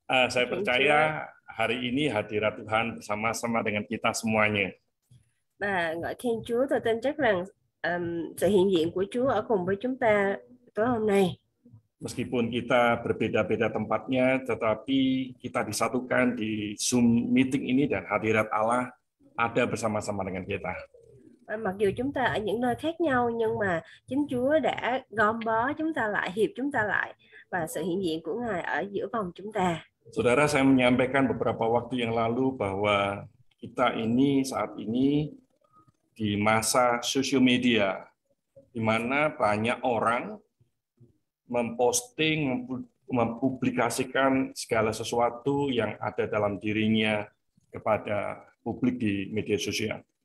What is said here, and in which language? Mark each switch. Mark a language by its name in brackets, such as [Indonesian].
[Indonesian] Saya percaya hari ini hadirat Tuhan bersama-sama dengan kita semuanya. [Vietnamese] Và ngợi khen Chúa, tôi tin chắc rằng sự hiện diện của Chúa ở cùng với chúng ta tối hôm nay. [Indonesian] Meskipun kita berbeda-beda tempatnya, tetapi kita disatukan di Zoom meeting ini dan hadirat Allah ada bersama-sama dengan kita. [Vietnamese] Mặc dù chúng ta ở những nơi khác nhau, nhưng mà chính Chúa đã gom bó chúng ta lại, hiệp chúng ta lại, và sự hiện diện của Ngài ở giữa vòng chúng ta. [Indonesian] Saudara, saya menyampaikan beberapa waktu yang lalu bahwa kita ini saat ini di masa social media, di mana banyak orang memposting, mempublikasikan segala sesuatu yang ada dalam dirinya kepada publik di media sosial.